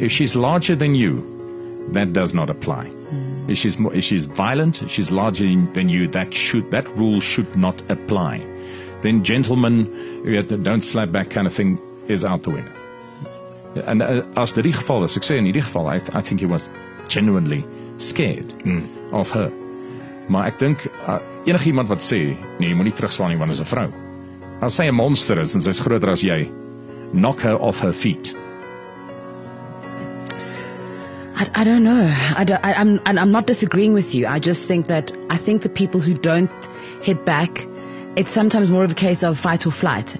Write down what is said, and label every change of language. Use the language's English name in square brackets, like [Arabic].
[English] If she's larger than you, that does not apply. If she's violent, she's larger than you, that rule should not apply. Then gentlemen, don't slap back kind of thing, is out the window. And as the geval is, [Afrikaans] ek sê in hierdie geval, [English] I think he was genuinely scared of her. [Afrikaans] Maar ek dink, enig iemand wat sê, nee, jy moet nie terugslaan nie, want is 'n vrou. As sy 'n monster is, en sy is groter as jy, [English] knock her off her feet. I don't know. I'm not disagreeing with you. I think the people who don't hit back, it's sometimes more of a case of fight or flight.